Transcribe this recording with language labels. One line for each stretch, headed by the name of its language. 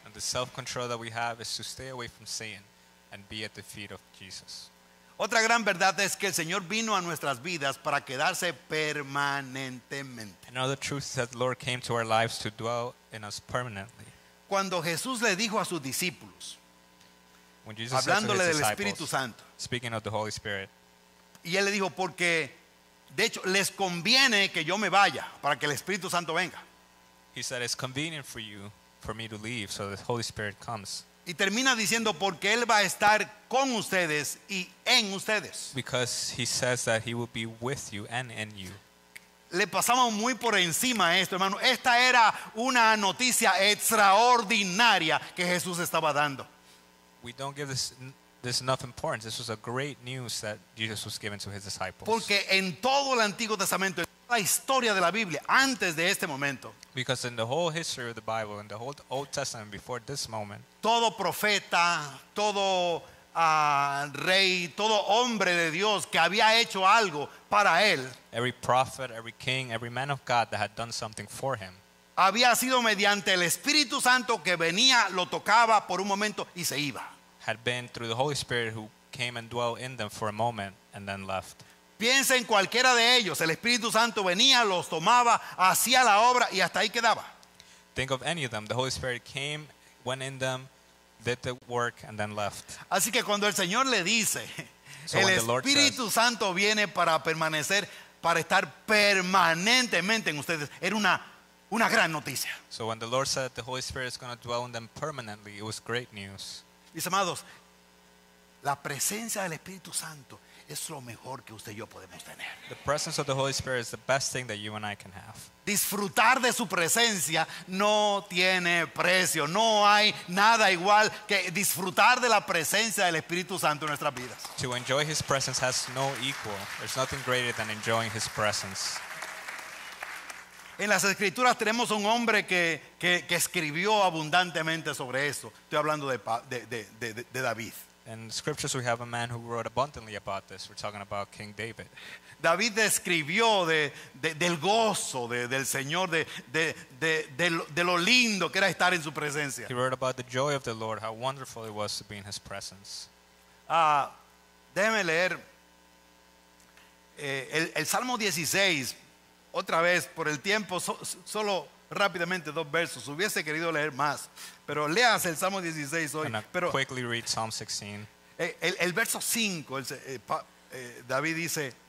English: And the self-control that we have is to stay away from Satan and be at the feet of Jesus.
Spanish: Otra gran verdad es que el Señor vino a nuestras vidas para quedarse permanentemente.
English: Another truth is that the Lord came to our lives to dwell in us permanently.
Spanish: Cuando Jesús le dijo a sus discípulos,
English: when Jesus
Spanish: hablándole
English: said to his
Spanish: del Espíritu Santo,
English: speaking of the Holy Spirit,
Spanish: y él le dijo, porque de hecho les conviene que yo me vaya para que el Espíritu Santo venga.
English: He said, it's convenient for you for me to leave so the Holy Spirit comes.
Spanish: Y termina diciendo, porque él va a estar con ustedes y en ustedes.
English: Because he says that he will be with you and in you.
Spanish: Le pasamos muy por encima esto, hermano. Esta era una noticia extraordinaria que Jesús estaba dando.
English: We don't give this enough importance. This was a great news that Jesus was giving to his disciples.
Spanish: Porque en todo el Antiguo Testamento, en toda la historia de la Biblia, antes de este momento,
English: because in the whole history of the Bible, in the whole Old Testament before this moment,
Spanish: todo profeta, todo rey, todo hombre de Dios que había hecho algo para él,
English: every prophet, every king, every man of God that had done something for him,
Spanish: había sido mediante el Espíritu Santo que venía, lo tocaba por un momento y se iba.
English: Had been through the Holy Spirit who came and dwelt in them for a moment and then left.
Spanish: Piensa en cualquiera de ellos. El Espíritu Santo venía, los tomaba, hacía la obra y hasta ahí quedaba.
English: Think of any of them. The Holy Spirit came, went in them, did the work and then left.
Spanish: Así que cuando el Señor le dice, el Espíritu Santo viene para permanecer, para estar permanentemente en ustedes, era una gran noticia.
English: So when the Lord said that the Holy Spirit is going to dwell in them permanently, it was great news.
Spanish: Mis amados, la presencia del Espíritu Santo es lo mejor que usted y yo podemos tener.
English: The presence of the Holy Spirit is the best thing that you and I can have.
Spanish: Disfrutar de su presencia no tiene precio. No hay nada igual que disfrutar de la presencia del Espíritu Santo en nuestras vidas.
English: To enjoy his presence has no equal. There's nothing greater than enjoying his presence.
Spanish: En las Escrituras tenemos un hombre que escribió abundantemente sobre esto. Estoy hablando de David.
English: In the Scriptures we have a man who wrote abundantly about this. We're talking about King David.
Spanish: David describió del gozo del Señor, de lo lindo que era estar en su presencia.
English: He wrote about the joy of the Lord, how wonderful it was to be in his presence.
Spanish: Déjeme leer el Salmo 16, otra vez, por el tiempo, solo rápidamente dos versos. Hubiese querido leer más, pero leas el Salmo 16 hoy. Pero
English: quickly read Psalm 16.
Spanish: El verso 5, David dice,